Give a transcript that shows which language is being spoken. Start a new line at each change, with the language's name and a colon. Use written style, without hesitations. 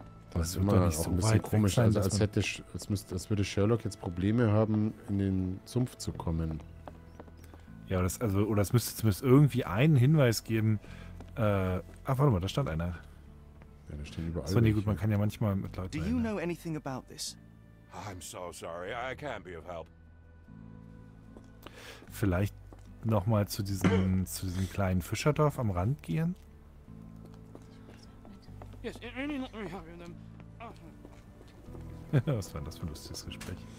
German: Das ist immer auch ein bisschen komisch, als würde Sherlock jetzt Probleme haben, in den Sumpf zu kommen. Ja, das, also, oder es müsste zumindest irgendwie einen Hinweis geben. Ach, warte mal, da stand einer. Ja, da stehen überall. So, nee, gut, man kann ja manchmal mit Leuten.
English: Do you know anything about this? I'm so sorry, I can't be of help.
German: Vielleicht nochmal zu diesem kleinen Fischerdorf am Rand gehen? Was war das für ein lustiges Gespräch?